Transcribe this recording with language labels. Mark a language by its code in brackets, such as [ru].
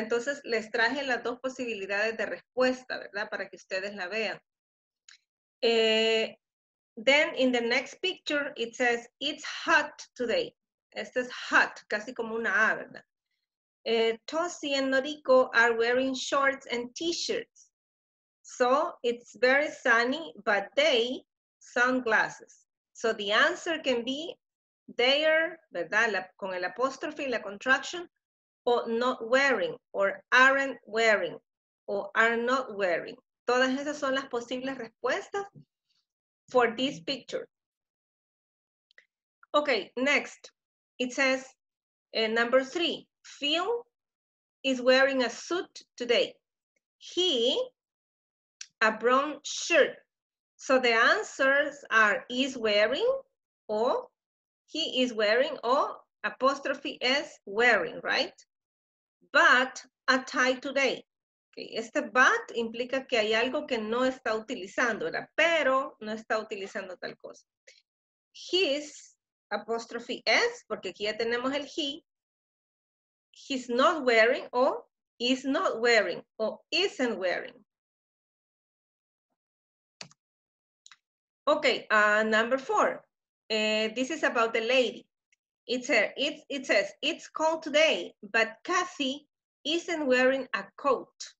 [es] Entonces les traje las dos posibilidades de respuesta, ¿verdad? Para que ustedes la vean. [en] Then in the next picture, it says, it's hot today. [es] Este es hot, casi como una A, ¿verdad? [en] Tosi and Noriko are wearing shorts and t-shirts. So it's very sunny, but they sunglasses. So the answer can be they're, ¿verdad? [es] Con el apóstrofe y la [en] contraction, or not wearing, or aren't wearing, or are not wearing. [es] Todas esas son las posibles respuestas [en] for this picture. Okay, next, it says, number 3, Phil is wearing a suit today. He, a brown shirt. So the answers are, is wearing, or he is wearing, or apostrophe S, wearing, right? But a tie today. Okay. [es] Este but implica que hay algo que no está utilizando, ¿verdad? Pero no está utilizando tal cosa. [en] His, apostrophe S, [es] porque aquí ya tenemos el he. [en] He's not wearing o is not wearing o isn't wearing. Okay, number 4. This is about the lady. It says, it's cold today, but Kathy isn't wearing a coat.